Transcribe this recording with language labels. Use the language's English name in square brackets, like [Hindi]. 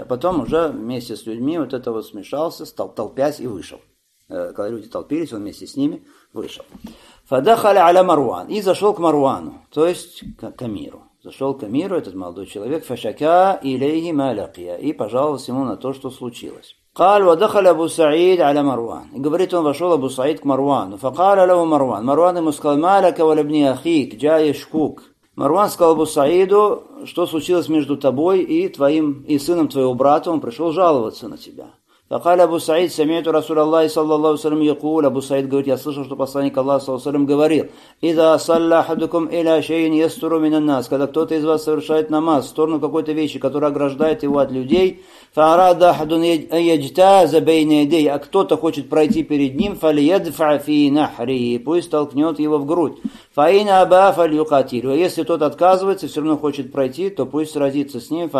[Russian] А потом уже вместе с людьми вот это вот смешался, стал толпясь и вышел. Когда люди толпились, он вместе с ними вышел. [Arabic] فَدَخَلَ عَلَى مَرْوَان. [Russian] И зашел к Марвану, то есть к Амиру. Зашел к Амиру этот молодой человек, [Arabic] фашака илейхи малякия, [Russian] и пожаловался ему на то, что случилось. [Arabic] قال ودخل أبو سعيد على مروان. [Russian] И говорит, он вошел Абу Саид к Марвану. [Arabic] فقال له مروان. [Russian] Марван ему сказал: [Arabic] مالك ولابن أخيك جاي شكوك. [Russian] Марван сказал Абу Саиду, что случилось между тобой и твоим и сыном твоего брата, он пришел жаловаться на тебя. [Arabic] فقال أبو سعيد سمعت رسول الله صلى الله عليه وسلم يقول. [Russian] Абу Саид говорит, я слышал, что посланник Аллаха [Arabic] صلى الله عليه وسلم [Russian] говорил: [Arabic] إذا صلى أحدكم إلى شيء يستر من الناس. [Russian] Когда кто-то из вас совершает намаз в сторону какой-то вещи, которая ограждает его от людей, [Arabic] فأراد أحد يجتاز بين يديه. [Russian] А кто-то хочет пройти перед ним, [Arabic] فليدفع في نحره. [Russian] Пусть толкнет его в грудь. [Arabic] فإن أبى فليقاتل. [Russian] А если тот отказывается, все равно хочет пройти, то пусть сразится с ним.